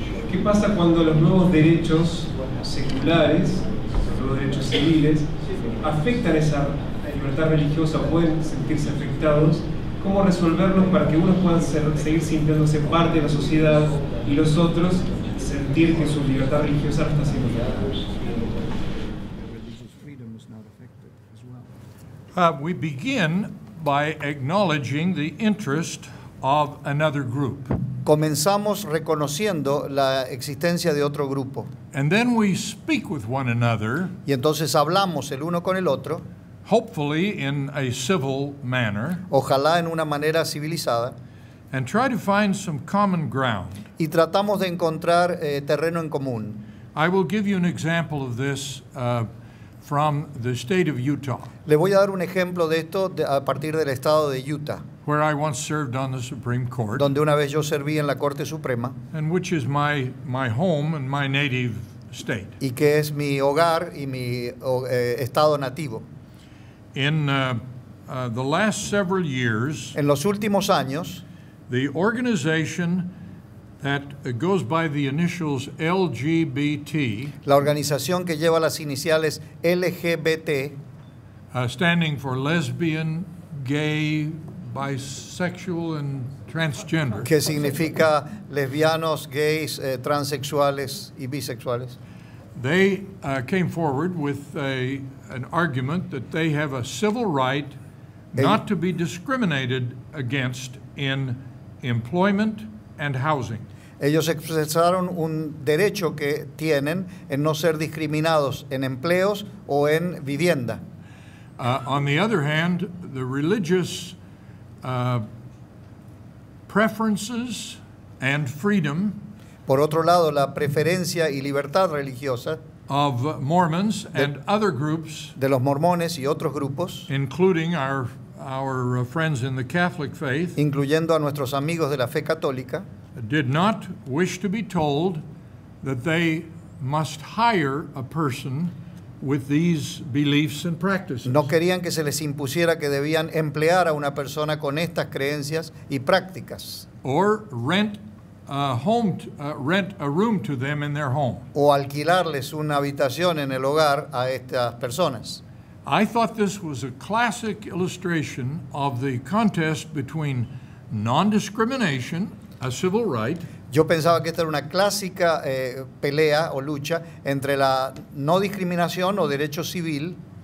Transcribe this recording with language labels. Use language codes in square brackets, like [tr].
[es] ¿Qué pasa cuando los nuevos derechos seculares, los derechos civiles, afectan esa libertad religiosa, pueden sentirse afectados? ¿Cómo resolverlos para que unos puedan seguir sintiéndose parte de la sociedad y los otros sentir que su libertad religiosa está siendo afectada? [en] We begin by acknowledging the interest of another group. [es] Comenzamos reconociendo la existencia de otro grupo. [en] And then we speak with one another. [es] Y entonces hablamos el uno con el otro. [en] hopefully in a civil manner, [es] ojalá en una manera civilizada, [en] and try to find some common ground. [es] Y tratamos de encontrar terreno en común. [en] I will give you an example of this from the state of Utah. [es] Le voy a dar un ejemplo de esto a partir del estado de Utah, [en] where I once served on the Supreme Court, [es] donde una vez yo serví en la Corte Suprema, [en] and which is my home and my native state. [es] Y que es mi hogar y mi estado nativo. [en] In the last several years, [es] en los últimos años, [en] the organization that goes by the initials LGBT, [es] la organización que lleva las iniciales LGBT, [en] standing for lesbian, gay, bisexual and transgender, [es] que significa lesbianos, gays, transexuales y bisexuales, [en] they came forward with an argument that they have a civil right not to be discriminated against in employment and housing. [es] Ellos expresaron un derecho que tienen en no ser discriminados en empleos o en vivienda. [en] On the other hand, the religious preferences and freedom, [es] por otro lado, la preferencia y libertad religiosa, [en] of Mormons and other groups, [es] de los mormones y otros grupos, [en] including our friends in the Catholic faith, [es] incluyendo a nuestros amigos de la fe católica, [en] did not wish to be told that they must hire a person with these beliefs and practices. [es] No querían que se les impusiera que debían emplear a una persona con estas creencias y prácticas. [en] Or rent a room to them in their home. [es] O alquilarles una habitación en el hogar a estas personas. [en] I thought this was a classic illustration of the contest between non-discrimination, a civil right. [es] Yo pensaba que esta era una clásica pelea o lucha entre la no discriminación o derecho civil